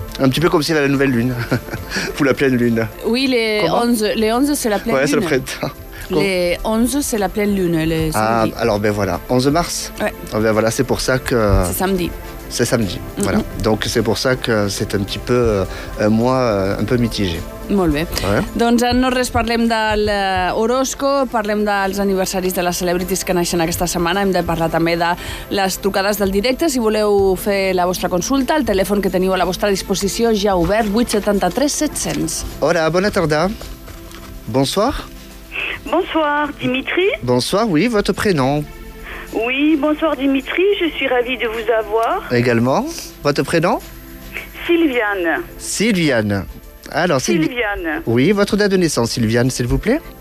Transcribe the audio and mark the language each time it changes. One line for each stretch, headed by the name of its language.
French: Un petit peu comme s'il y avait la nouvelle lune ou la pleine lune. Oui, les 11, c'est la pleine lune. Oui, c'est le printemps. Les 11, c'est la pleine lune. Alors, ben voilà, 11 mars. Ouais. Ben voilà, c'est pour ça que. C'est samedi. Mm-hmm. Voilà. Donc, c'est pour ça que c'est un petit peu un mois un peu mitigé.
Catalan: Molt bé. Doncs no res, parlem del Orozco, parlem dels aniversaris de les celebrities que naixen aquesta setmana, hem de parlar també de les trucades del directe, si voleu fer la vostra consulta, el telèfon que teniu a la vostra disposició ja obert, 873-700. Hola, bona tarda. Bonsoir.
French: Bonsoir, Dimitri. Bonsoir, oui, votre prénom. Oui, bonsoir Dimitri, je suis ravie de vous avoir. Également. Votre prénom? Sylviane. Sylviane. Alors, Sylviane. Oui, votre date de naissance, Sylviane, s'il vous plaît.